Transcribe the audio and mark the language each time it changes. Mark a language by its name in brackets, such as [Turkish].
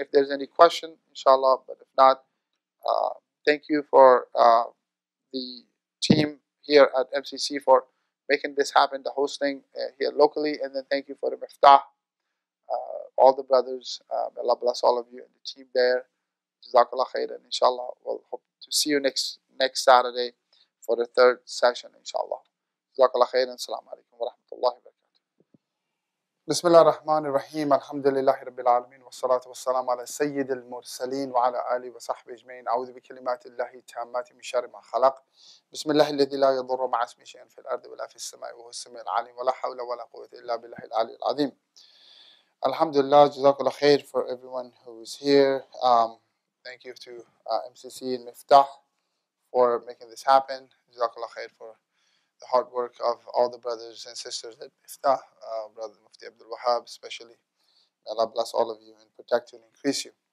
[English] If there's any question, inshallah. But if not, thank you for the team here at MCC for making this happen, the hosting here locally. And then thank you for the miftah, all the brothers. Allah bless all of you and the team there. JazakAllah khairan, inshallah. We'll hope to see you next Saturday for the third session, inshallah. JazakAllah khairan. Assalamu alaikum wa rahmatullahi wa barakatuh. [Arabic] بسم الله الرحمن الرحيم الحمد لله رب العالمين والصلاة والسلام على سيد المرسلين وعلى آله وصحبه أجمعين أعوذ بكلمات الله التامات من شر ما خلق بسم الله الذي لا يضر مع اسمه شيئا في الأرض ولا في السماء وهو السميع العليم ولا حول ولا قوة إلا بالله العلي العظيم الحمد لله جزاك الله خير [English] for everyone who is here. Thank you to MCC and Miftah for making this happen. [Arabic] جزاك الله خير [English] for the hard work of all the brothers and sisters at Miftah, Brother Mufti Abdul Wahab, especially. May Allah bless all of you and protect you and increase you.